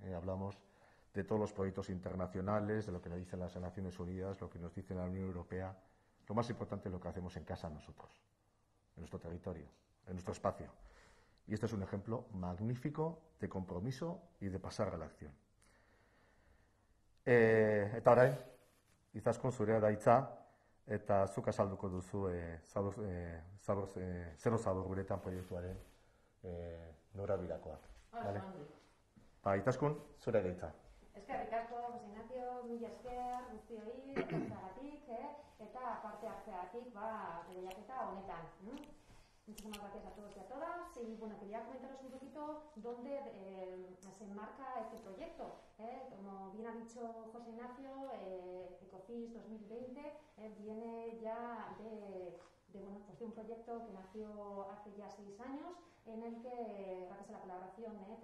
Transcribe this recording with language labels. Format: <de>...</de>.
<es>Hablamos de todos los proyectos internacionales, de lo que nos dicen las Naciones Unidas, lo que nos dice la Unión Europea. Lo más importante es lo que hacemos en casa nosotros, en nuestro territorio, en nuestro espacio. Y este es un ejemplo magnífico de compromiso y de pasar a la acción.</es> <eu>Eta orain, izaskun zurea da hitza, eta zuk azalduko duzu Zero Zabor guretan proiektuaren norabidakoa.</eu> <es>Vale?</es> <eu>Ba, izaskun zurea da hitza. Eskerrik asko, José Ignacio, mila esker, guztioi, etortzeagatik, eta parte hartzeagatik, ba, lehiaketa honetan.</eu> <es>Muchísimas gracias a todos y a todas. Y bueno, quería comentaros un poquito dónde se enmarca este proyecto. Como bien ha dicho José Ignacio, Ecofish 2020 viene ya de un proyecto que nació hace ya 6 años, en el que, gracias a la colaboración</es>